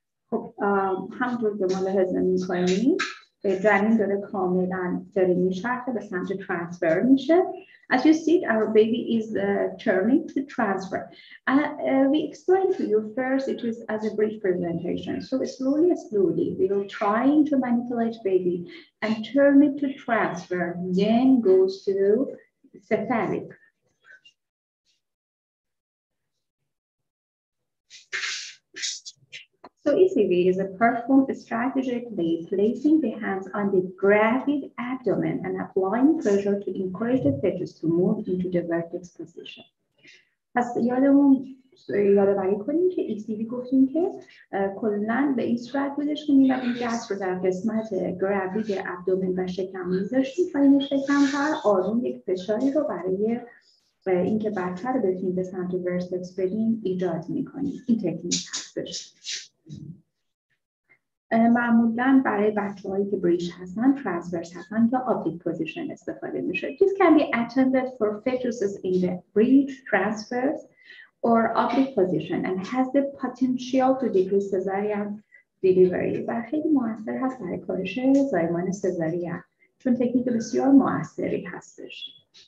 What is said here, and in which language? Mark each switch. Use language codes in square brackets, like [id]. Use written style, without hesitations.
[fa] خب همطور که ملاحظه می کنید جنین داره کاملا داره می شرخه به سمت ترانسفر میشه. [en] As you see, our baby is turning to transfer. We explained to you first, it is as a breech presentation. So slowly, slowly, we are trying to manipulate baby and turn it to transfer, then goes to cephalic. So ECV is a performed strategically placing the hands on the gravid abdomen and applying pressure to encourage the fetus to move into the vertex position. [fa] پس یادمون یادآوری کنیم که ECV گفتیم که کلن به این صورت بودش که میبینیم دست رو در قسمت گراوید ابدومن و شکم میذاشتیم و این شکم هر آروم یک فشاری رو برای اینکه بچه رو بتونیم به سمت ورتکس بدیم ایجاد میکنیم. این تکنیک هستش. معمولا برای بچه هایی که بریش هستن ترانسورس هستن یا آپتیک پوزیشن استفاده میشه. [en] This can be attended for fetuses in the breech transverse or oblique position and has the potential to decrease cesarean delivery. [fa] و خیلی مؤثر هست برای کاهش زایمان سزارین چون تکنیک بسیار مؤثری هستش.